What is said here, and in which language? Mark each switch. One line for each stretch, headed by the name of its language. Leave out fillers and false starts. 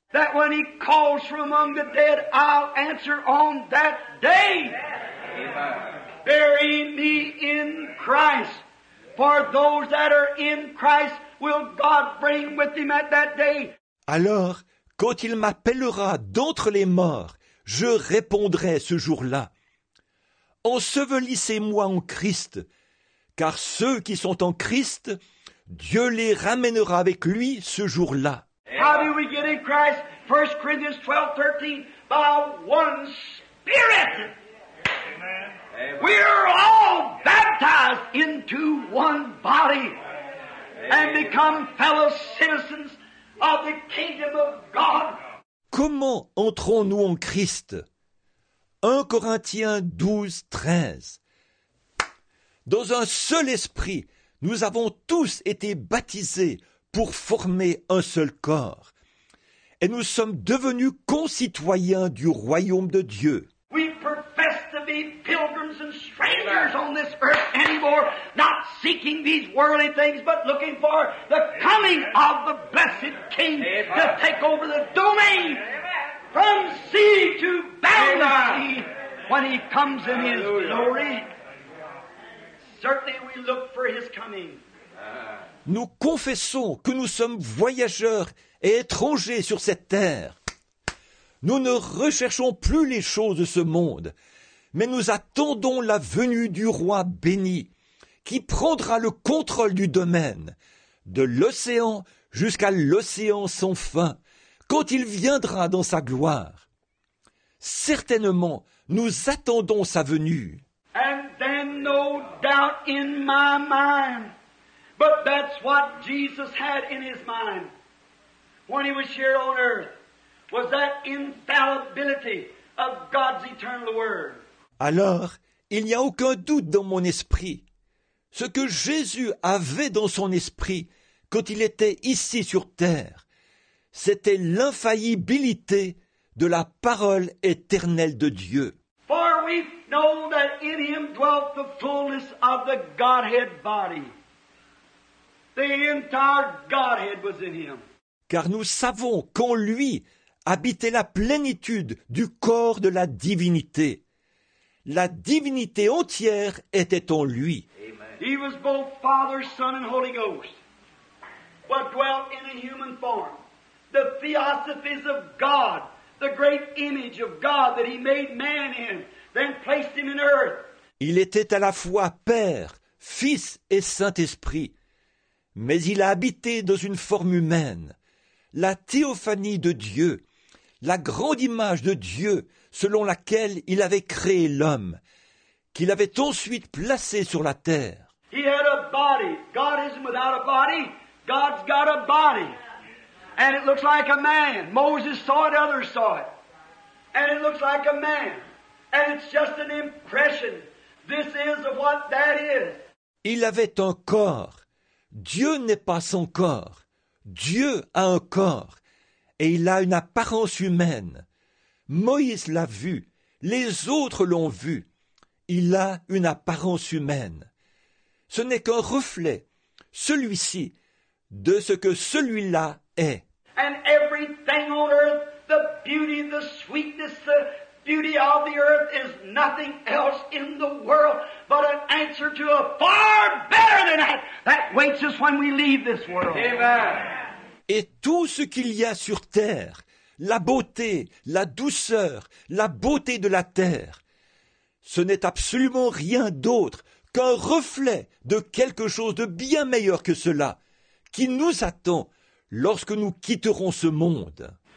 English: That when he calls from among the dead, I'll answer on that day. Amen. Bury me in Christ. For those that are in Christ will God bring with him at that day.
French: Alors, quand il m'appellera d'entre les morts, je répondrai ce jour-là. Ensevelissez-moi en Christ, car ceux qui sont en Christ, Dieu les ramènera avec lui ce jour-là.
English: How do we get in Christ? 1 Corinthians 12:13, by one Spirit. Amen. We are all baptized into one body and become fellow citizens of the kingdom of God.
French: Comment entrons-nous en Christ? 1 Corinthiens 12:13. Dans un seul esprit, nous avons tous été baptisés pour former un seul corps. Et nous sommes devenus concitoyens du royaume de Dieu.
English: We profess to be pilgrims and strangers on this earth anymore, not seeking these worldly things, but looking for the coming of the blessed King to take over the domain from sea to boundless sea when he comes in his glory. Certainly we look for his coming.
French: Nous confessons que nous sommes voyageurs et étrangers sur cette terre. Nous ne recherchons plus les choses de ce monde, mais nous attendons la venue du roi béni, qui prendra le contrôle du domaine, de l'océan jusqu'à l'océan sans fin, quand il viendra dans sa gloire. certainement, nous attendons sa venue.
English: And then no doubt in my mind, but that's what Jesus had in his mind when he was here on earth, was that infallibility of God's eternal word.
French: Alors, il n'y a aucun doute dans mon esprit. Ce que Jésus avait dans son esprit quand il était ici sur terre, c'était l'infaillibilité de la parole éternelle de Dieu.
English: For we know that in him dwelt the fullness of the Godhead body. The entire Godhead was in him.
French: Car nous savons qu'en lui habitait la plénitude du corps de la divinité. La divinité entière était en lui.
English: He was both Father, Son, and Holy Ghost, but dwelt in a human form. The theosophies of God, the great image of God that he made man in, then placed him in earth.
French: Il était à la fois Père, Fils et Saint-Esprit, mais il a habité dans une forme humaine. La théophanie de Dieu, la grande image de Dieu selon laquelle il avait créé l'homme, qu'il avait ensuite placé sur la terre.
English: He had a body. God isn't without a body. God's got a body. And it looks like a man. Moses saw it, others saw it. And it looks like a man. And it's just an impression. This is of what that is.
French: Il avait un corps. Dieu n'est pas son corps. Dieu a un corps. Et il a une apparence humaine. Moïse l'a vu. Les autres l'ont vu. Il a une apparence humaine. Ce n'est qu'un reflet, celui-ci, de ce que celui-là est.
English: And everything on earth, the beauty, the sweetness, the beauty of the earth is nothing else in the world but an answer to a far better than that that waits us when we leave this world. Amen.
French: Et tout ce qu'il y a sur terre, la beauté, la douceur, la beauté de la terre, ce n'est absolument rien d'autre qu'un reflet de quelque chose de bien meilleur que cela, qui nous attend lorsque nous quitterons ce monde.